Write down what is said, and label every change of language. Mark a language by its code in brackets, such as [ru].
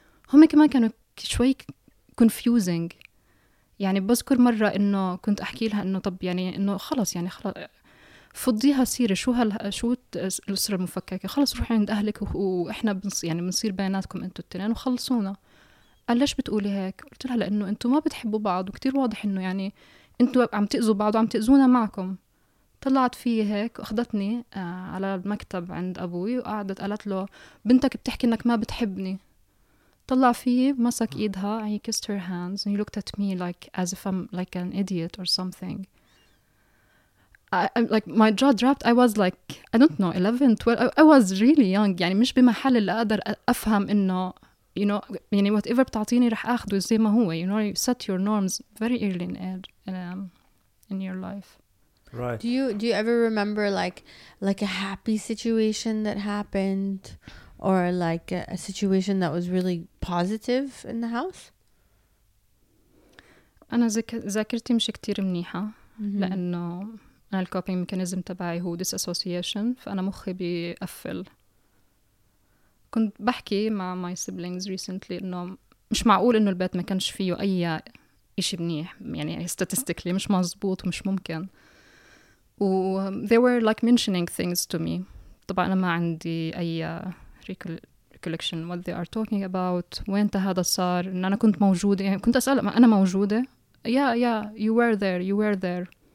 [ar] هم كمان كانوا شوي confusing. يعني بذكر مرة إنه كنت أحكي لها إنه طب يعني إنه خلص يعني خلص فضيها سيري, شو الأسرة المفككة, خلص روحي عند أهلك وإحنا يعني بنصير بيناتكم أنتوا التنين وخلصونا. قال ليش بتقولي هيك؟ قلت لها لأنه أنتوا ما بتحبوا بعض وكتير واضح إنه يعني أنتوا عم تأذوا بعض وعم تأذونا معكم. طلعت فيه هيك أخذتني على المكتب عند أبوي وقعدت قالت له بنتك بتحكي إنك ما بتحبني. طلع فيه مسك إيدها [en] and he kissed her hands and he looked at me like as if I'm like an idiot or something. I'm like my jaw dropped. I was like I don't know 11, 12. I was really young. [ar] يعني مش بمحل اللي أقدر أفهم إنه [en] you know [ar] يعني whatever بتعطيني رح أخده زي ما هو. [en] You know you set your norms very early in your life. Right. Do you ever remember like a happy situation that happened? Or like a situation that was really positive in the house? [ar] أنا ذاكرتي مش كتير منيحة. لأنه أنا الكوبينج ميكانيزم تبعي هو disassociation، فأنا مخي بيقفل. كنت بحكي مع [en] my siblings [ar] recently إنه مش معقول إنه البيت ما كانش فيه أي إشي منيح، يعني statistically مش مزبوط ومش ممكن. [en] و they were like mentioning things to me. [ar] طبعا أنا ما عندي أي recollection [en] what they are talking about، [ar] وين هذا صار، إن أنا كنت موجودة. يعني كنت أسأل ما أنا موجودة؟ [en] Yeah, you were there.